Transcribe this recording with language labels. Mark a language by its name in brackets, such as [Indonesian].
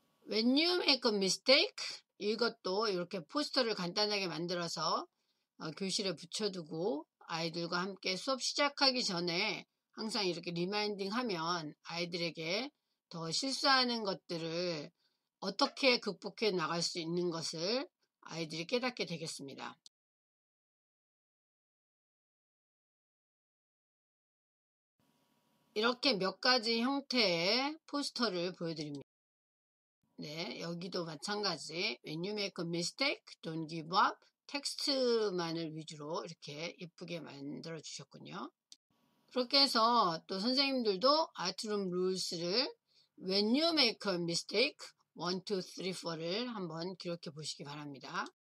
[English] When you make a mistake, [Korean] 이것도 이렇게 포스터를 간단하게 만들어서 교실에 붙여두고 아이들과 함께 수업 시작하기 전에 항상 이렇게 리마인딩 하면 아이들에게 더 실수하는 것들을 어떻게 극복해 나갈 수 있는 것을 아이들이 깨닫게 되겠습니다. 이렇게 몇 가지 형태의 포스터를 보여드립니다. 네, 여기도 마찬가지. [English] When you make a mistake, don't give up. [Korean] 텍스트만을 위주로 이렇게 예쁘게 만들어 주셨군요. 그렇게 해서 또 선생님들도 아트룸 룰스를 [English] When you make a mistake, [Korean] 1, 2, 3, 4를 한번 기록해 보시기 바랍니다.